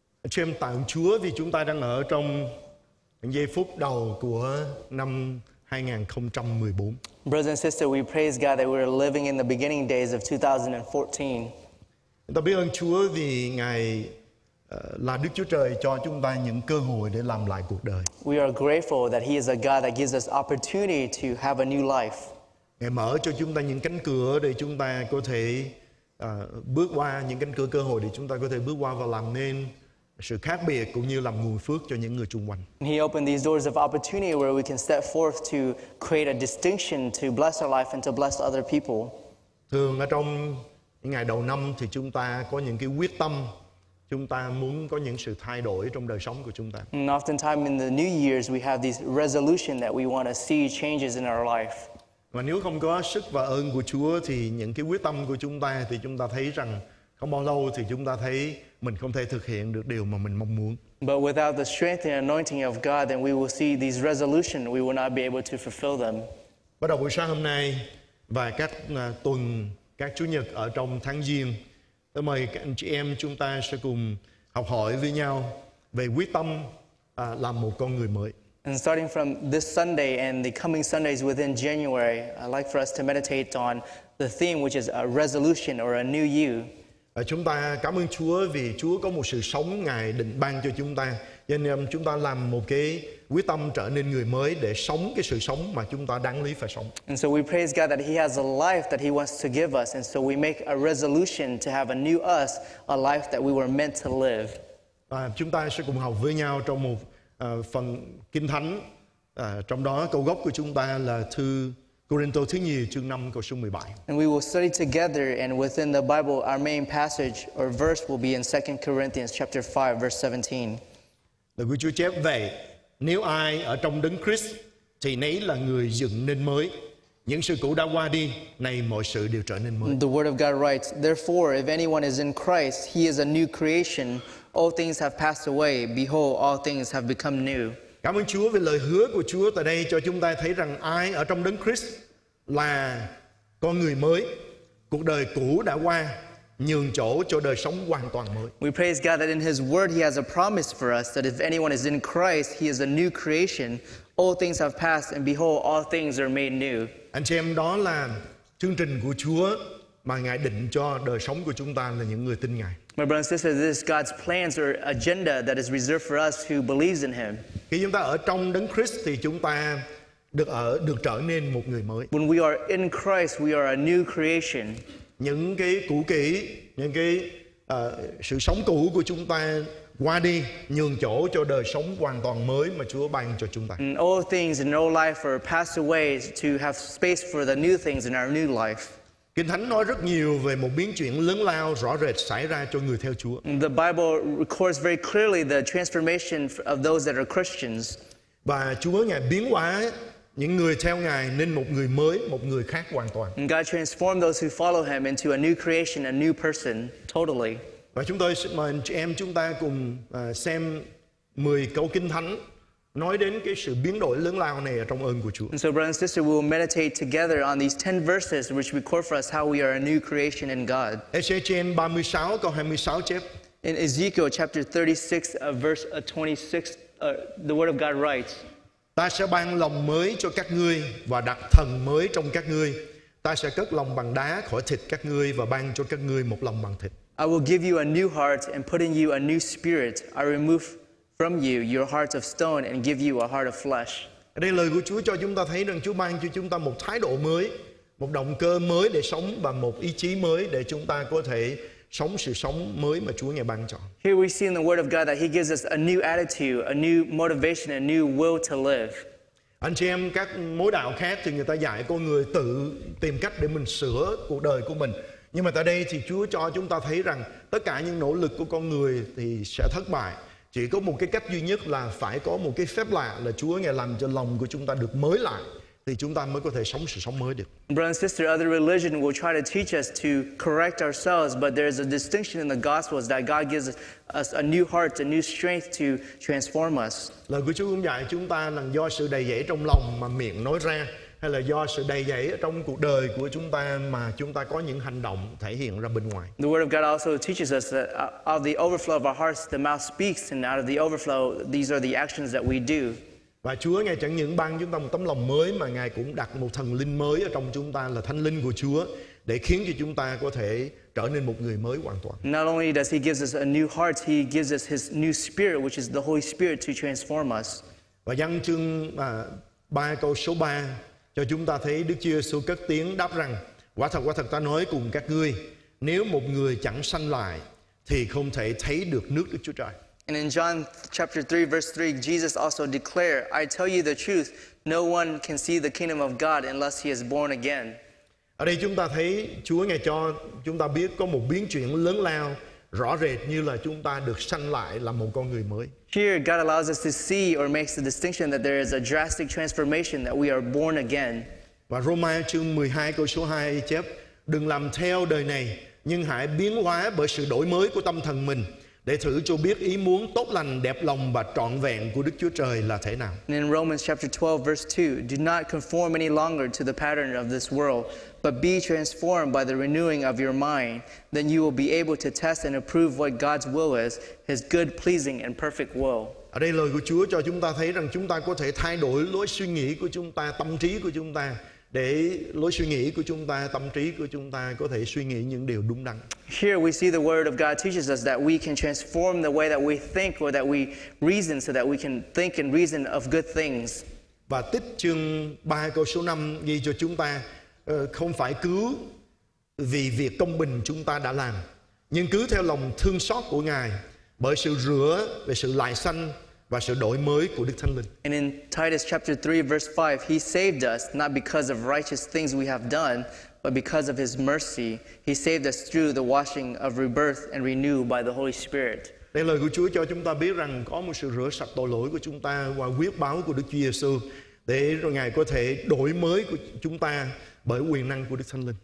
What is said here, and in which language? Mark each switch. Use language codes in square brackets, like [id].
[vi] Chị em tạ ơn Chúa vì chúng ta đang ở trong giây phút đầu của năm 2014. [en] Brothers and sisters, we praise God that we are living in the beginning days of 2014. [vi] Ta biết ơn Chúa vì Ngài là Đức Chúa Trời cho chúng ta những cơ hội để làm lại cuộc đời. [en] We are grateful that He is a God that gives us opportunity to have a new life. [vi] Ngài mở cho chúng ta những cánh cửa để chúng ta có thể bước qua, những cánh cửa cơ hội để chúng ta có thể bước qua và làm nên sự khác biệt cũng như làm nguồn phước cho những người xung quanh. [en] He opened these doors of opportunity where we can step forth to create a distinction, to bless our life and to bless other people. [vi] Thường ở trong những ngày đầu năm thì chúng ta có những cái quyết tâm, chúng ta muốn có những sự thay đổi trong đời sống của chúng ta. [en] And oftentimes in the New Year's we have these resolution that we want to see changes in our life. [vi] Mà nếu không có sức và ơn của Chúa thì những cái quyết tâm của chúng ta thì chúng ta thấy rằng không bao lâu thì chúng ta thấy mình không thể thực hiện được điều mà mình mong muốn. [en] But without the strength and anointing of God, then we will see these resolutions, we will not be able to fulfill them. [vi] Bắt đầu buổi sáng hôm nay và các tuần, các Chủ nhật ở trong tháng Giêng, tôi mời các anh chị em chúng ta sẽ cùng học hỏi với nhau về quyết tâm làm một con người mới. [en] And starting from this Sunday and the coming Sundays within January, I'd like for us to meditate on the theme which is a resolution or a new you. [vi] Chúng ta cảm ơn Chúa vì Chúa có một sự sống Ngài định ban cho chúng ta. Cho nên chúng ta làm một cái quyết tâm trở nên người mới để sống cái sự sống mà chúng ta đáng lý phải sống. [en] And so we praise God that He has a life that He wants to give us. And so we make a resolution to have a new us, a life that we were meant to live. [vi] Và chúng ta sẽ cùng học với nhau trong một phần Kinh Thánh. Trong đó câu gốc của chúng ta là thư Corinto thứ nhì chương 5 câu số 17. [en] And we will study together and within the Bible our main passage or verse will be in 2 Corinthians chapter 5 verse 17. [vi] Lời Chúa chép vậy: nếu ai ở trong Đấng Christ thì nấy là người dựng nên mới. Những sự cũ đã qua đi, nay mọi sự đều trở nên mới. [en] The word of God writes, therefore if anyone is in Christ, he is a new creation. All things have passed away, behold all things have become new. [vi] Cảm ơn Chúa vì lời hứa của Chúa tại đây cho chúng ta thấy rằng ai ở trong Đấng Christ là con người mới. Cuộc đời cũ đã qua, nhường chỗ cho đời sống hoàn toàn mới. [en] We praise God that in His Word He has a promise for us that if anyone is in Christ, He is a new creation. All things have passed and behold, all things are made new. [vi] Anh chị em, đó là chương trình của Chúa mà Ngài định cho đời sống của chúng ta là những người tin Ngài. [en] My brothers and sisters, this is God's plans or agenda that is reserved for us who believes in Him. [vi] Khi chúng ta ở trong Đấng Christ thì chúng ta được trở nên một người mới. [en] When we are in Christ, we are a new creation. [vi] Những cái cũ kỹ, những cái sự sống cũ của chúng ta qua đi, nhường chỗ cho đời sống hoàn toàn mới mà Chúa ban cho chúng ta. [en] And all things in our life are passed away to have space for the new things in our new life. [vi] Kinh Thánh nói rất nhiều về một biến chuyển lớn lao rõ rệt xảy ra cho người theo Chúa. [en] The Bible records very clearly the transformation of those that are Christians. [vi] Và Chúa Ngài biến hóa những người theo Ngài nên một người mới, một người khác hoàn toàn. [en] And God transformed those who follow Him into a new creation, a new person, totally. [vi] Và chúng tôi xin mời chị em chúng ta cùng xem 10 câu Kinh Thánh nói đến cái sự biến đổi lớn lao này ở trong ơn của Chúa. [en] And so, brothers and sisters, we will meditate together on these 10 verses which record for us how we are a new creation in God. [vi] Ezekiel 36, câu 26 chép. [en] In Ezekiel chapter 36, verse 26, the Word of God writes, [vi] Ta sẽ ban lòng mới cho các ngươi và đặt thần mới trong các ngươi. Ta sẽ cất lòng bằng đá khỏi thịt các ngươi và ban cho các ngươi một lòng bằng thịt. [en] I will give you a new heart and put in you a new spirit. I remove from you your heart of stone and give you a heart of flesh. [vi] Đây là lời của Chúa cho chúng ta thấy rằng Chúa ban cho chúng ta một thái độ mới, một động cơ mới để sống và một ý chí mới để chúng ta có thể sống sự sống mới mà Chúa Ngài ban cho. [en] Here we see in the Word of God that He gives us a new attitude, a new motivation, a new will to live. [vi] Anh chị em, các mối đạo khác thì người ta dạy con người tự tìm cách để mình sửa cuộc đời của mình. Nhưng mà tại đây thì Chúa cho chúng ta thấy rằng tất cả những nỗ lực của con người thì sẽ thất bại. Chỉ có một cái cách duy nhất là phải có một cái phép lạ là Chúa Ngài làm cho lòng của chúng ta được mới lại. Thì chúng ta mới có thể sống sự sống mới được. [en] Brother and sister, other religion will try to teach us to correct ourselves, but there is a distinction in the gospels that God gives us a new heart, a new strength to transform us. [vi] Lời của Chúa cũng dạy chúng ta là do sự đầy dẫy trong lòng mà miệng nói ra. hay là do sự đầy dẫy trong cuộc đời của chúng ta mà chúng ta có những hành động thể hiện ra bên ngoài. [en] The word of God also teaches us that out of the overflow of our hearts the mouth speaks, and out of the overflow these are the actions that we do. [vi] Và Chúa ngài chẳng những ban chúng ta một tấm lòng mới mà ngài cũng đặt một thần linh mới ở trong chúng ta là thánh linh của Chúa để khiến cho chúng ta có thể trở nên một người mới hoàn toàn. [en] Not only does he give us a new heart, he gives us his new spirit, which is the Holy Spirit to transform us. [vi] Và Giăng chương 3 câu số 3 cho chúng ta thấy Đức Chúa Giêsu cất tiếng đáp rằng: quả thật ta nói cùng các ngươi, nếu một người chẳng sanh lại thì không thể thấy được nước Đức Chúa Trời. [en] And in John chapter 3 verse 3, Jesus also declared, I tell you the truth, no one can see the kingdom of God unless he is born again. [vi] Ở đây chúng ta thấy Chúa ngài cho chúng ta biết có một biến chuyển lớn lao rõ rệt như là chúng ta được sanh lại làm một con người mới. [en] Here God allows us to see or makes the distinction that there is a drastic transformation that we are born again. [vi] Và Roma chương 12 câu số 2 chép: đừng làm theo đời này, nhưng hãy biến hóa bởi sự đổi mới của tâm thần mình, để thử cho biết ý muốn tốt lành, đẹp lòng và trọn vẹn của Đức Chúa Trời là thế nào. [en] In Romans chapter 12 verse 2, do not conform any longer to the pattern of this world, but be transformed by the renewing of your mind, then you will be able to test and approve what God's will is, his good, pleasing and perfect will. [vi] Ở đây lời của Chúa cho chúng ta thấy rằng chúng ta có thể thay đổi lối suy nghĩ của chúng ta, tâm trí của chúng ta, để lối suy nghĩ của chúng ta, tâm trí của chúng ta có thể suy nghĩ những điều đúng đắn. [en] Here we see the word of God teaches us that we can transform the way that we think or that we reason so that we can think and reason of good things. [vi] Và Tích chương 3 câu số 5 ghi cho chúng ta không phải cứ vì việc công bình chúng ta đã làm, nhưng cứ theo lòng thương xót của Ngài bởi sự rửa về sự lại sanh và sự đổi mới của Đức Thánh Linh. [en] And in Titus chapter 3 verse 5, he saved us not because of righteous things we have done, but because of his mercy. He saved us through the washing of rebirth and renew by the Holy Spirit. [vi] Đây là lời của Chúa cho chúng ta biết rằng có một sự rửa sạch tội lỗi của chúng ta qua huyết báo của Đức Chúa Giêsu để rồi Ngài có thể đổi mới của chúng ta bởi quyền năng của Đức Thánh Linh.